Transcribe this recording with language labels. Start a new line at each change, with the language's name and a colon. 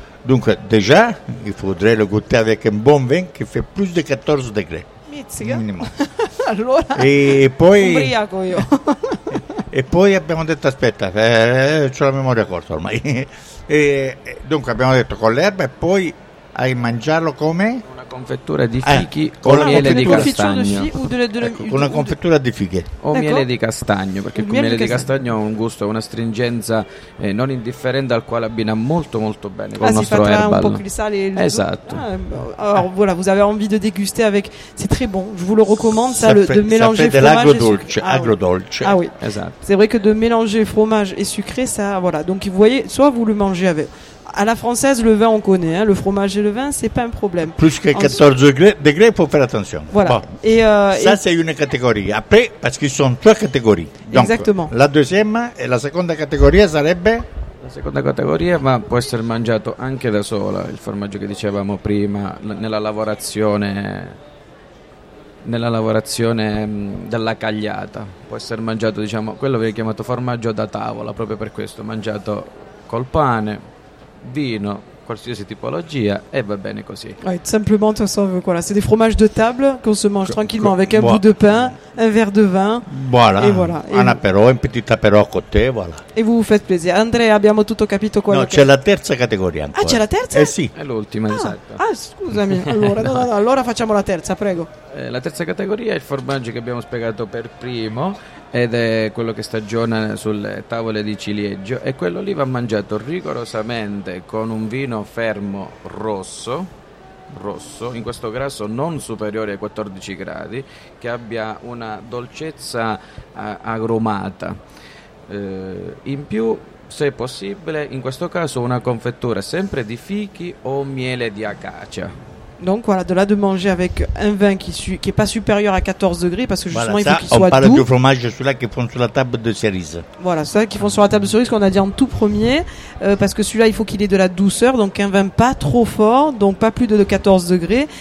French: Dunque, déjà, il faudrait le goûter avec un bon vin qui fait plus de 14 degrés.
Italian: Allora, e poi ubriaco io. E poi abbiamo detto, aspetta, c'ho la memoria corta ormai. Dunque abbiamo detto con l'erba, e poi hai mangiarlo come una confettura di fichi con miele di castagno. Una confettura di fichi o miele di castagno, perché con miele di castagno ha un gusto, una stringenza non indifferente, al quale abbina molto molto bene con il nostro herbal. Un po' di sale. Esatto.
French: Allora, voilà, vous avez envie de déguster avec, c'est très bon. Je vous le recommande, ça le, de mélanger ça fromage et sucre.
Italian: Agro dolce.
French: Ah oui. Esatto. C'est vrai que de mélanger fromage et sucré, ça voilà. Donc vous voyez, soit vous le mangez avec à la française, le vin on connaît, hein, le fromage et le vin, c'est pas un problème. Plus que 14 degrés, il faut faire attention. Voilà. Bon. Et c'est une catégorie. Après, parce qu'ils sont trois catégories. Donc, exactement. La deuxième et la seconde catégorie, ça serait.
Italian: La seconda categoria, ma può essere mangiato anche da sola, il formaggio che dicevamo prima, nella lavorazione della cagliata, può essere mangiato, diciamo, quello viene chiamato formaggio da tavola, proprio per questo, mangiato col pane, vino, qualsiasi tipologia, e va bene così.
French: Ouais, simplement, voilà, c'est des fromages de table qu'on se mange tranquillement avec un bout de pain. un verre de vin. Voilà. Et voilà. Un apéro, un petit apéro à côté, voilà. Et vous vous faites plaisir.
Italian: André, abbiamo tutto capito quello che... No, c'è la terza categoria ancora. Ah, c'è la terza? Eh sì. È l'ultima, ah, esatto. Ah, scusami. Allora, no. No, allora facciamo la terza, prego. La terza categoria è il formaggio che abbiamo spiegato per primo, ed è quello che stagiona sulle tavole di ciliegio, e quello lì va mangiato rigorosamente con un vino fermo rosso, rosso in questo caso non superiore ai 14 gradi, che abbia una dolcezza agrumata, in più se possibile in questo caso una confettura sempre di fichi o miele di acacia.
French: Donc voilà, de là de manger avec un vin qui n'est qui pas supérieur à 14 degrés, parce que justement voilà, il faut ça, qu'il soit doux. On parle du fromage, celui-là qui font sur la table de cerise. Voilà, celui-là qui font sur la table de cerise, qu'on a dit en tout premier, parce que celui-là il faut qu'il ait de la douceur, donc un vin pas trop fort, donc pas plus de 14 degrés.